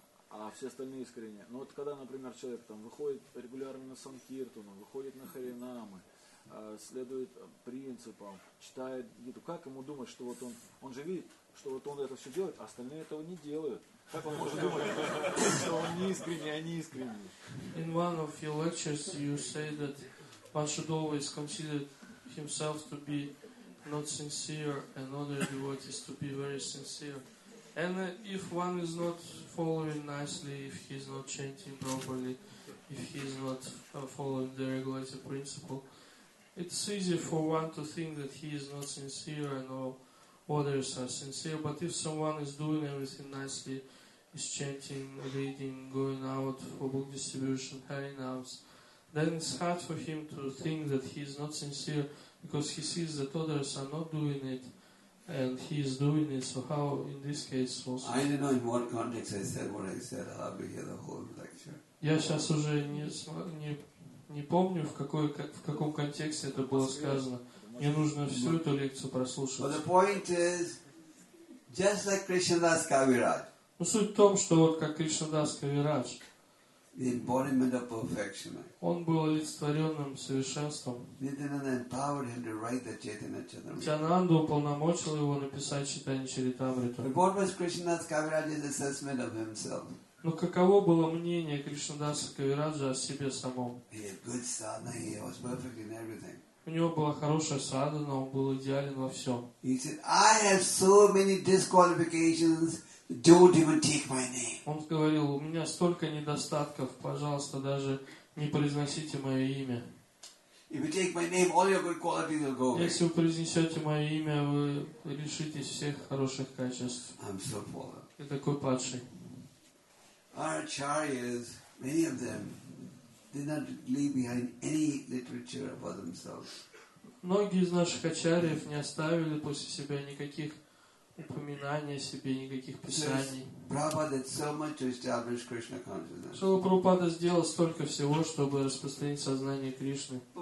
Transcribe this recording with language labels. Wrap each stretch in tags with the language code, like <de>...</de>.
<ru>А все остальные искренние. Но вот когда, например, человек там выходит регулярно на санкиртану, выходит на харинамы, следует принципам, читает гиту, как ему думать, что вот он же видит, что вот он это все делает, а остальные этого не делают. Как он может думать, что он не искренний, а не искренний?</ru> <en>In one of your lectures you say that one should always consider himself to be not sincere and other devotees to be very sincere. And if one is not following nicely, if he is not chanting properly, if he is not following the regulative principle, it's easy for one to think that he is not sincere and all others are sincere. But if someone is doing everything nicely, is chanting, reading, going out for book distribution, harinams, then it's hard for him to think that he is not sincere because he sees that others are not doing it. And he is doing it, so how in this case also? I don't know in what context I said what I said. I'll be here the whole lecture.</en> <ru>Я сейчас уже не помню, в каком контексте это было сказано. Мне нужно всю эту лекцию прослушать.</ru> <en>But the point is, just like Krishnadas Kaviraj.</en> <ru>Ну, суть в том, что вот как Кришнадас Кавирадж.</ru> <en>The embodiment of perfection.</en> <ru>Он был олицетворенным совершенством.</ru> <en>Nityananda empowered him to write the Chaitanya Charitamrita.</en> <ru>Нитянанда уполномочил его написать Чайтанья Чаритамриту.</ru> <en>What was Krishnadasa Kaviraj's assessment of himself?</en> <ru>Но каково было мнение Кришнадаса Кавираджа о себе самом?</ru> <en>He had good sadhana. He was perfect in everything.</en> <ru>У него была хорошая садхана, он был идеален во всем.</ru> <en>He said, "I have so many disqualifications. Don't even take my name."</en> <ru>Он говорил: "У меня столько недостатков, пожалуйста, даже не произносите мое имя."</ru> <en>If you take my name, all your good qualities will go away.</en> <ru>Если вы произнесете мое имя, вы лишитесь всех хороших качеств.</ru> <en>I'm so fallen.</en> <ru>Я такой падший.</ru> <en>Our acharyas, many of them, did not leave behind any literature about themselves.</en> <ru>Многие из наших ачарьев не оставили после себя никаких упоминания о себе, никаких писаний. Шрила Прабхупада сделал столько всего, чтобы распространить сознание Кришны.</ru>